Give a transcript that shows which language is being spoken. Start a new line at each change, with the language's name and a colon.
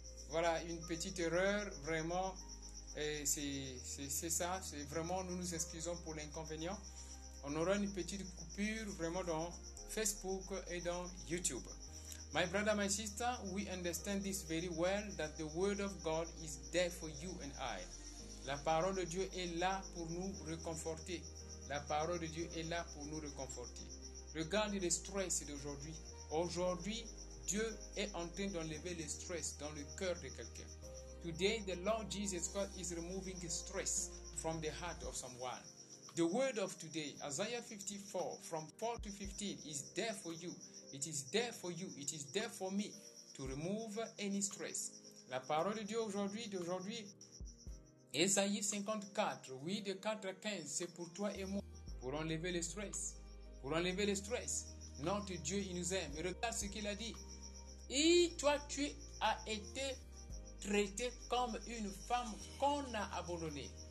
French: Voilà, une petite erreur, vraiment. Et c'est ça, c'est vraiment, nous nous excusons pour l'inconvénient. On aura une petite coupure, vraiment, dans Facebook et dans YouTube.
English: My brother, my sister, we understand this very well, that the word of God is there for you and I.
French: La parole de Dieu est là pour nous réconforter. La parole de Dieu est là pour nous réconforter. Regarde le stress d'aujourd'hui. Aujourd'hui, Dieu est en train d'enlever le stress dans le cœur de quelqu'un.
English: Today, the Lord Jesus Christ is removing stress from the heart of someone. The word of today, Isaiah 54, from 4 to 15, is there for you. It is there for you. It is there for me to remove any stress.
French: La parole de Dieu aujourd'hui, d'aujourd'hui, Isaïe 54, oui, de 4 à 15, c'est pour toi et moi, pour enlever le stress. Pour enlever le stress. Notre Dieu, il nous aime. Et regarde ce qu'il a dit. Et toi, tu as été traité comme une femme qu'on a abandonnée.